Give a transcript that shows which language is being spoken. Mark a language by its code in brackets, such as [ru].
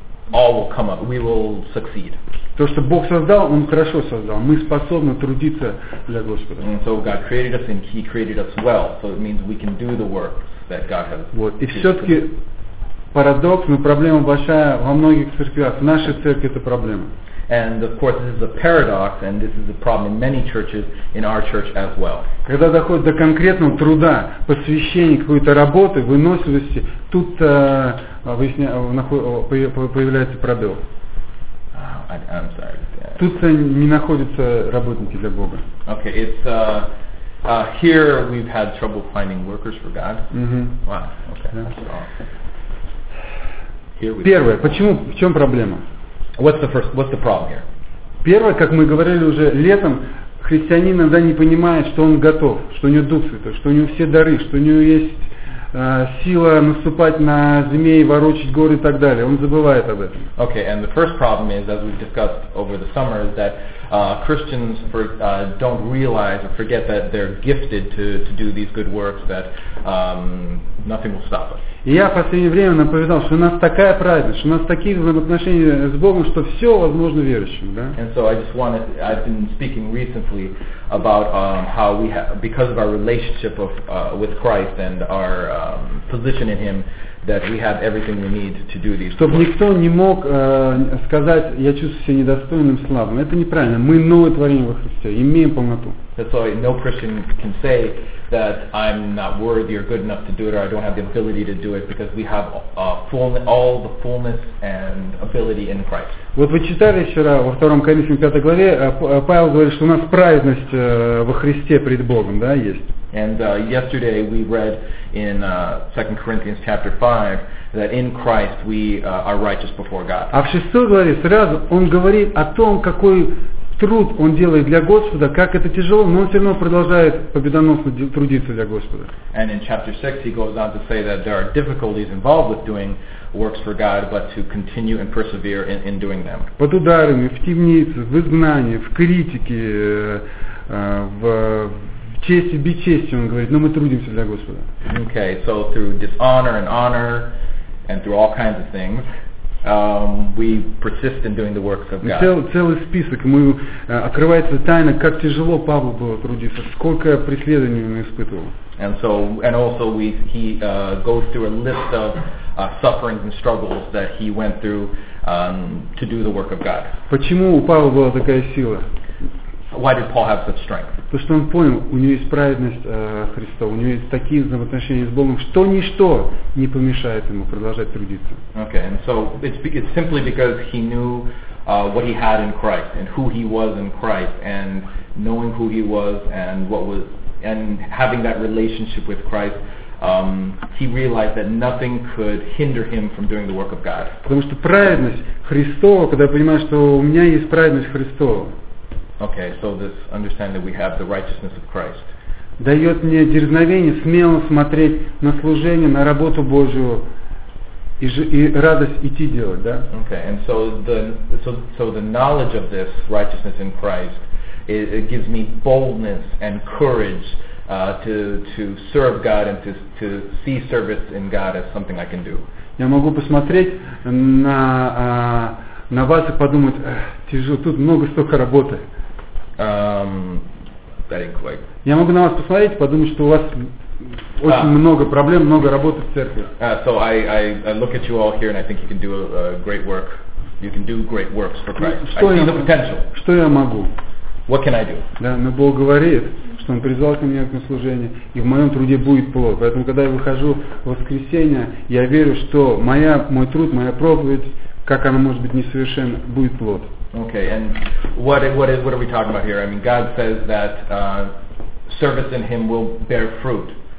[en] All will come up. We will succeed. [ru] То, что Бог создал, Он хорошо создал. Мы способны трудиться для Господа. [en] And so God created us, and He created us well. So it means we can do the work that God has. [ru] Вот. И все-таки парадокс, но проблема большая во многих церквях. В нашей церкви это проблема. [en] And of course, this is a paradox, and this is a problem in many churches, in our church as well. [ru] Когда доходит до конкретного труда, посвящения какой-то работы, выносливости, тут появляется пробел. [en] I'm sorry. [ru] Тут не находятся работники для Бога. [en] Okay, it's here we've had trouble finding workers for God. Mm-hmm. Wow. Okay. Yeah. [ru] Первое. Почему? В чем проблема? [en] What's the problem here? [ru] Первое, как мы говорили уже летом, христианин иногда не понимает, что он готов, что у него Дух Святой, что у него все дары, что у него есть сила наступать на змеи, ворочить горы и так далее. Он забывает об этом. [en] Okay, and the first problem is, as we've discussed over the summer, is that Christians don't realize or forget that they're gifted to do these good works, that nothing will stop us. [ru] И я в последнее время напоминал, что у нас такая праведность, что у нас такие взаимоотношения с Богом, что все возможно верующим, да? [en] And so I've been speaking recently about how we have, because of our relationship with Christ and our position in Him, that we have everything we need to do these. [ru] Чтобы никто не мог сказать, я чувствую себя недостойным, слабым. Это неправильно. Мы новое творение во Христе, имеем полноту. [en] And so no Christian can say that I'm not worthy or good enough to do it, or I don't have the ability to do it, because we have all the fullness and ability in Christ. [ru] Вот вы читали вчера во 2 Коринфянам 5 главе, Павел говорит, что у нас праведность во Христе пред Богом, да, есть. [en] And yesterday we read in 2 Corinthians chapter 5 that in Christ we are righteous before God. [ru] А в 6 главе сразу он говорит о том, какой труд он делает для Господа, как это тяжело, но он все равно продолжает победоносно трудиться для Господа. [en] And in chapter 6 he goes on to say that there are difficulties involved with doing works for God, but to continue and persevere in doing them. [ru] Под ударами, в темнице, в изгнании, в критике, в чести, в бечести, он говорит, но мы трудимся для Господа. [en] Okay, so through dishonor and honor and through all kinds of things, we persist in doing the works of God. [ru] Целый список. Открывается тайна, как тяжело Павлу было трудиться, сколько преследований он испытывал. [en] And so, and also he goes through a list of sufferings and struggles that he went through to do the work of God. [ru] Почему у Павла была такая сила? [en] Why did Paul have such strength? [ru] Потому что он понял, у него есть праведность Христа, у него есть такие взаимоотношения с Богом, что ничто не помешает ему продолжать трудиться. [en] Okay, and so it's simply because he knew what he had in Christ and who he was in Christ, and knowing who he was and what was, and having that relationship with Christ, he realized that nothing could hinder him from doing the work of God. [ru] Потому что праведность Христова, когда я понимаю, что у меня есть праведность Христова. [en] Okay, so this understand that we have the righteousness of Christ. [ru] Дает мне дерзновение смело смотреть на служение, на работу Божию и радость идти делать, да? [en] Okay, and so the knowledge of this righteousness in Christ, it gives me boldness and courage to serve God and to see service in God as something I can do. [ru] Я могу посмотреть на вас и подумать, тяжело, тут много столько работы. [en] That ain't quite. [ru] Я могу на вас посмотреть и подумать, что у вас очень много проблем, много работы в церкви. [en] So I look at you all here and I think you can do a great work. You can do great works for Christ. I see the potential. [ru] Что я могу? [en] What can I do? [ru] Да, но Бог говорит, что Он призвал ко мне на служение, и в моем труде будет плод. Поэтому, когда я выхожу в воскресенье, я верю, что мой труд, моя проповедь, как она может быть несовершенна, будет плод. [en] Okay, and what are we talking about here? I mean, God says that service in Him will bear fruit.